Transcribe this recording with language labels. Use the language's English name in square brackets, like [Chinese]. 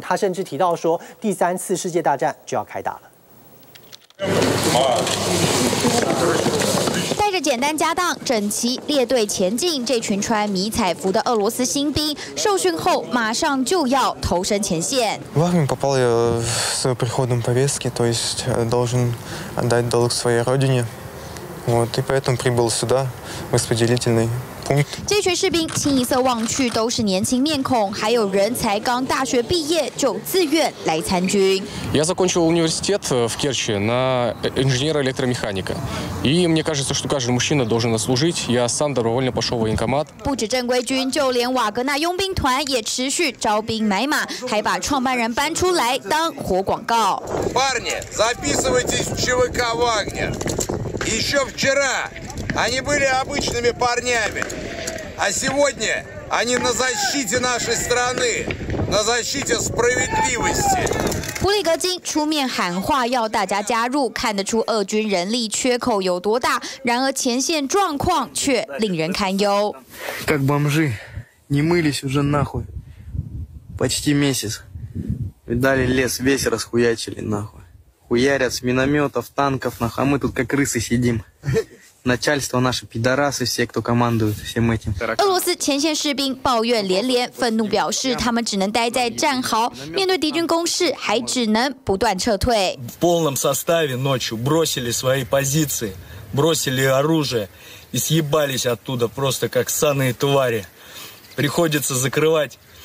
[Chinese] 他甚至提到说，第三次世界大战就要开打了。带着简单家当，整齐列队前进，这群穿迷彩服的俄罗斯新兵受训后马上就要投身前线。 [Russian] Вагнер попал я в свою приходную повестку, то есть должен отдать долг своей родине. Вот, и поэтому прибыл сюда, в распределительный пункт. [Chinese] 这群士兵清一色望去都是年轻面孔，还有人才刚大学毕业就自愿来参军。 [Russian] Я закончил университет в Керчи на инженера электромеханика. И мне кажется, что каждый мужчина должен служить. Я сам добровольно пошел в военкомат. [Chinese] 不止正规军，就连瓦格纳佣兵团也持续招兵买马，还把创办人搬出来当活广告。 [Russian] Парни, записывайтесь в ЧВК Вагнер. Еще вчера они были обычными парнями, а сегодня они на защите нашей страны, на защите справедливости. [Chinese] 普里格金出面喊话要大家加入，看得出俄军人力缺口有多大，然而前线状况却令人堪忧。 [Russian] Как бомжи, не мылись уже нахуй. Почти месяц. Видали лес, весь расхуячили нахуй. Хуярят с минометов, танков, нахуй. А мы тут как крысы сидим. Начальство наше пидорасы, все, кто командует всем этим. [Chinese] 俄罗斯前线士兵抱怨连连，愤怒表示他们只能待在战壕，面对敌军攻势，还只能不断撤退。 [Russian] В полном составе ночью бросили свои позиции, бросили оружие и съебались оттуда просто как ссаные твари. Приходится закрывать